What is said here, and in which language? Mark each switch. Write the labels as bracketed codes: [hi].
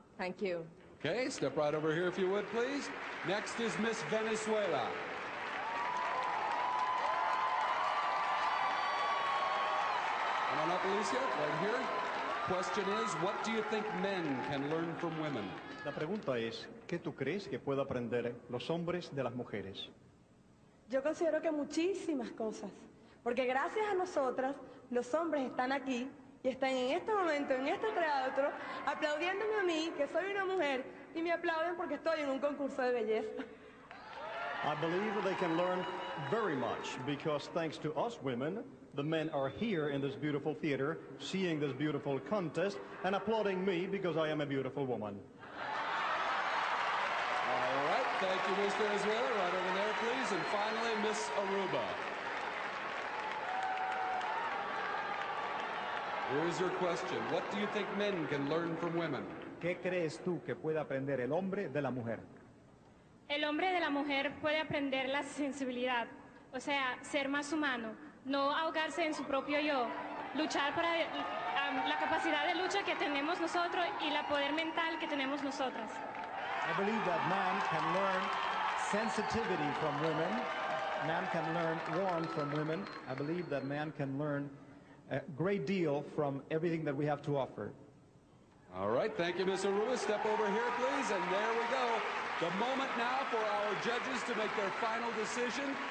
[en] Thank you. Okay, step right over here if you would, please. Next is Miss Venezuela. Come on up, Alicia, right here. Question is, what do you think men can learn from women? [es] La pregunta es, ¿qué tú crees que puede aprender los hombres de las mujeres? Yo considero que muchísimas cosas, porque gracias a nosotras, los hombres están aquí y están en este momento, en este teatro, aplaudiéndome a mí, que soy una mujer, y me aplauden porque estoy en un concurso de belleza. [en] I believe they can learn very much, because thanks to us women, the men are here in this beautiful theater, seeing this beautiful contest, and applauding me because I am a beautiful woman. Thank you, Ms. Venezuela. Right over there, please. And finally, Ms. Aruba. Here's your question. What do you think men can learn from women? [es] ¿Qué crees tú que puede aprender el hombre de la mujer? El hombre de la mujer puede aprender la sensibilidad, o sea, ser más humano, no ahogarse en su propio yo, luchar para la capacidad de lucha que tenemos nosotros y la poder mental que tenemos nosotras. [en] I believe that man can learn sensitivity from women. Man can learn warmth from women. I believe that man can learn a great deal from everything that we have to offer. All right, thank you, Ms. Aruba. Step over here, please, and there we go. The moment now for our judges to make their final decision.